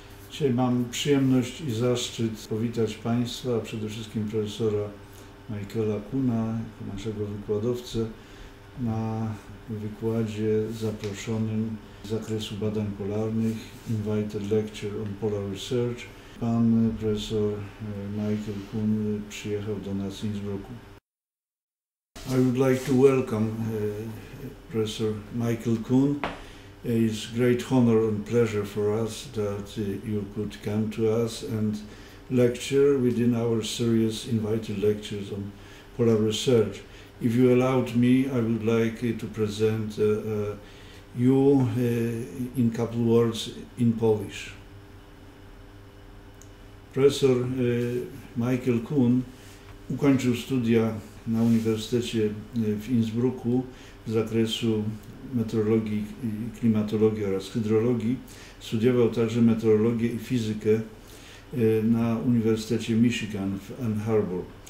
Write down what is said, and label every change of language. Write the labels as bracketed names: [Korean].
[Polish] Dzisiaj mam przyjemność I zaszczyt powitać Państwa, a przede wszystkim profesora Michaela KUHNa, naszego wykładowcę, na wykładzie zaproszonym z zakresu badań polarnych, [English] Invited Lecture on Polar Research. [Polish] Pan profesor Michael KUHN przyjechał do nas z Innsbrucku. [English] I would like to welcome Professor Michael KUHN. It's great honor and pleasure for us that you could come to us and lecture within our series Invited Lectures on Polar Research. If you allowed me, I would like to present you in a couple words in Polish. [Polish] Professor Michael KUHN ukończył studia na Uniwersytecie w Innsbrucku w zakresu meteorologii, klimatologii oraz hydrologii. Studiował także meteorologię I fizykę na Uniwersytecie Michigan w Ann Arbor.